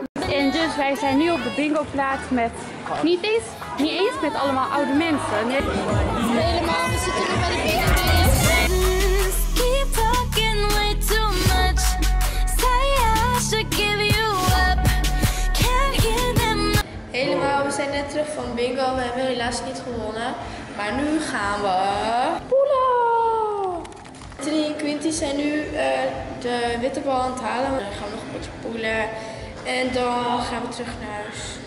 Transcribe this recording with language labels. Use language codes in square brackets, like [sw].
[nl] En dus wij zijn nu op de bingoplaats met knieties. Niet eens met allemaal oude mensen. Nee. Helemaal, we zitten nu bij de BNB's. [en] Keep talking way too much. Say I should give you up. Can't hear them. [nl] Helemaal, we zijn net terug van bingo. We hebben helaas niet gewonnen. Maar nu gaan we... Poela! Trini en Quinty zijn nu de witte bal aan het halen. Dan gaan we nog een beetje poelen. En dan gaan we terug naar huis.